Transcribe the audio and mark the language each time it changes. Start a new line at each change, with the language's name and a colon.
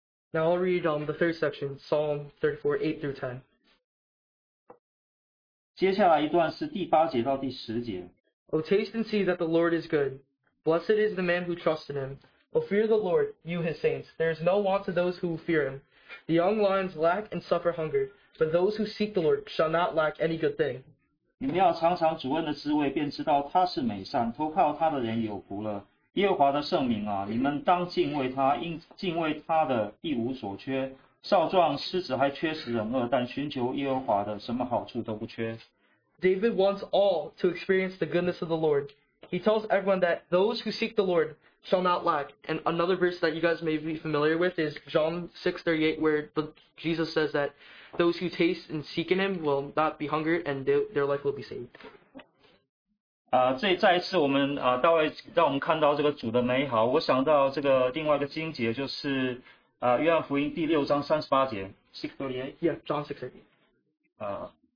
English: Now I'll read the third section, Psalm 34, 8 through 10.
Chinese: 接下来一段是第八节到第十节。
English: O taste and see that the Lord is good. Blessed is the man who trusts in him. O fear the Lord, you his saints. There is no want to those who fear him. The young lions lack and suffer hunger, but those who seek the Lord shall not lack any good thing.
Chinese: 你们要尝尝主恩的滋味，便知道他是美善，投靠他的人有福了。耶和华的圣名啊，你们当敬畏他，因敬畏他的一无所缺。少壮狮子还缺食忍饿，但寻求耶和华的什么好处都不缺。
English: David wants all to experience the goodness of the Lord. He tells everyone that those who seek the Lord shall not lack. And another verse that you guys may be familiar with is John 6:38, where Jesus says that those who taste and seek in him will not be hungered and their life will be saved.
Chinese: 再一次我们大卫让我们看到这个主的美好，我想到这个另外一个经节就是约翰福音第六章三十八节
English: ，6:38. Yeah, John